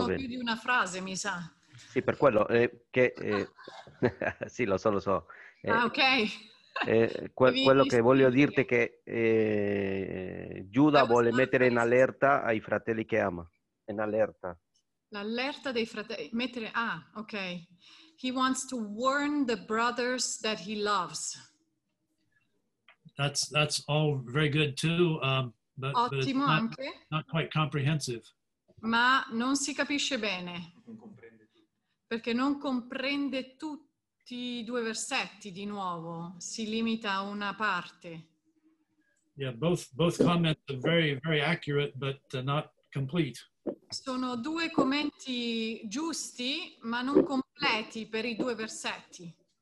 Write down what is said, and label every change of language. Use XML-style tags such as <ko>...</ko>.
<it>Ma sono più di una frase, mi sa. Sì, per quello che sì, lo so. Ok. Quello che voglio dirti è che Giuda vuole mettere in allerta ai fratelli che ama. In allerta. L'allerta dei fratelli. Mettere. Ah, ok.</it> <en>He wants to warn the brothers that he loves. That's all very good too. But,</en> <it>ottimo,</it> <en>but</en> <it>anche.</it> <en>Not quite comprehensive.</en> <it>Ma non si capisce bene. Perché non comprende tutti i due versetti di nuovo, si limita a una parte.</it> <en>Yeah, both comments are very, very accurate, but not complete.</en> <it>Sono due commenti giusti, ma non completi per i due versetti.</it>